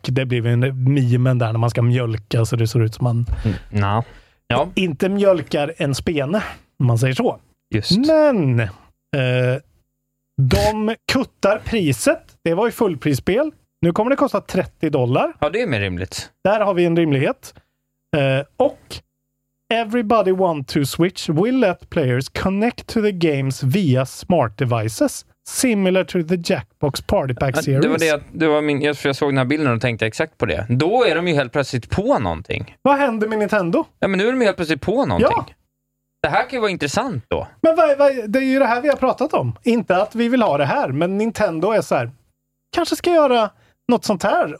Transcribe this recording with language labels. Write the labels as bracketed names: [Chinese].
[Swedish] Det blev en memen där när man ska mjölka så det ser ut som man ja. Inte mjölkar en spene, om man säger så. Just. Men de kuttar priset. Det var ju fullprisspel. Nu kommer det kosta $30. Ja, det är mer rimligt. Där har vi en rimlighet. Och [English] Everybody 1-2 Switch will let players connect to the games via smart devices similar to the Jackbox Party Pack series. [Swedish] Jag såg den här bilden och tänkte exakt på det. Då är de ju helt plötsligt på någonting. Vad händer med Nintendo? Ja, men nu är de helt plötsligt på någonting. Ja. Det här kan ju vara intressant då. Men det är ju det här vi har pratat om. Inte att vi vill ha det här, men Nintendo är så här, kanske ska göra något sånt här.